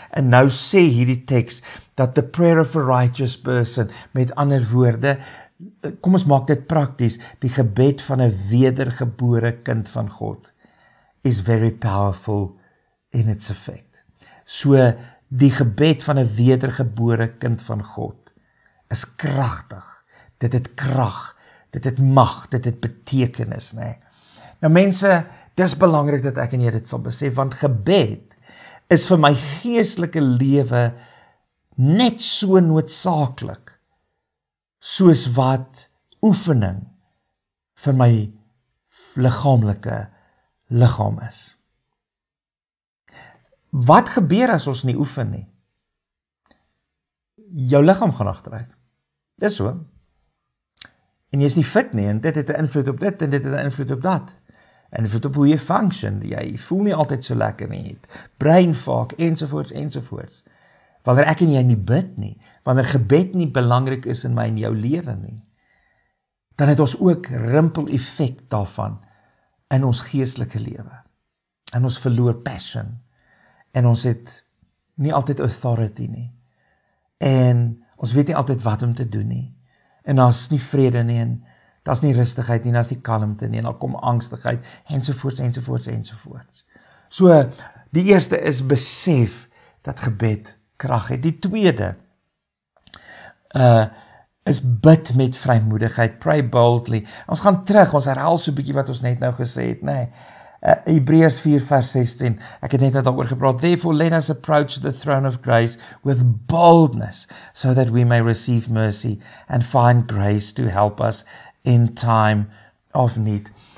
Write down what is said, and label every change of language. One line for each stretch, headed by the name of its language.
Afrikaans: En nou sê hierdie tekst, dat
English: the prayer of a righteous person,
Afrikaans: met ander woorde, kom ons maak dit prakties, die gebed van 'n wedergebore kind van God,
English: is very powerful in its effect.
Afrikaans: So, die gebed van 'n wedergebore kind van God, is krachtig. Dit het krag, dit het mag, dit het betekenis, nee. Nou mense, dis belangrik dat ek en jy dit sal besef, want gebed is vir my geestelike lewe net so noodsaaklik soos wat oefening vir my liggaamlike liggaam is. Wat gebeur as ons nie oefen nie? Jou liggaam gaan agteruit. Dis so. En jy is nie fit nie, en dit het 'n invloed op dit, en dit het 'n invloed op dat. En vir op hoe jy function, jy voel nie altyd so lekker nie, het brain fog, ensovoorts, ensovoorts. Wanneer ek en jy nie bid nie, wanneer gebed nie belangrik is in my en jou lewe nie, dan het ons ook rimpel effek daarvan in ons geestelike lewe. En ons verloor passion. En ons het nie altyd authority nie. En ons weet nie altyd wat om te doen nie. En daar is nie vrede nie, en daar is nie rustigheid nie, en daar is nie kalmte nie, en daar kom angstigheid, ensovoorts, ensovoorts, ensovoorts. So, die eerste is besef dat gebed krag het. Die tweede is bid met vrymoedigheid,
English: pray boldly.
Afrikaans: Ons gaan terug, ons herhaal so 'n bietjie wat ons net nou gesê het, nee. Hebreërs 4 vers 16, ek het net daaroor gepraat,
English: therefore let us approach the throne of grace with boldness, so that we may receive mercy and find grace to help us in time of need.